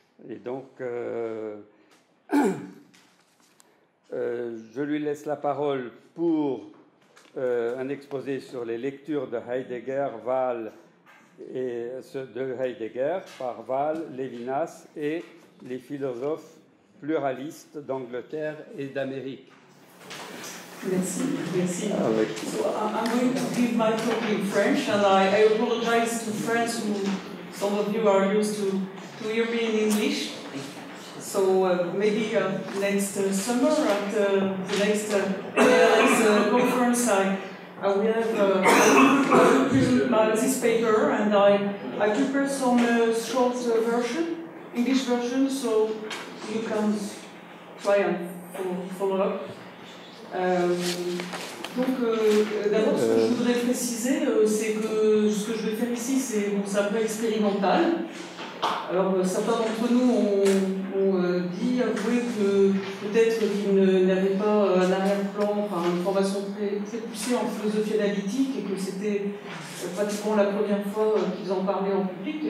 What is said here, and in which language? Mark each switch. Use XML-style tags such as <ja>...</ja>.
<fr>Et donc, je lui laisse la parole pour un exposé sur les lectures de Heidegger, Wahl et de Heidegger par Wahl, Levinas et les philosophes pluralistes d'Angleterre et d'Amérique. Merci.</fr> <en>So I'm going to give my talk in French, and I apologize to friends who some of you are used to hear me in English. So maybe next summer at the next conference, I will have this paper, and I prepare some short version, English version, so you can try and follow up.</en> <fr>D'abord, ce que je voudrais préciser, c'est que ce que je vais faire ici, c'est bon, c'est un peu expérimental. Alors, certains d'entre nous ont dit que peut-être qu'ils n'avaient pas un arrière-plan, enfin, une formation très poussée en philosophie analytique et que c'était pratiquement la première fois qu'ils en parlaient en public.</fr>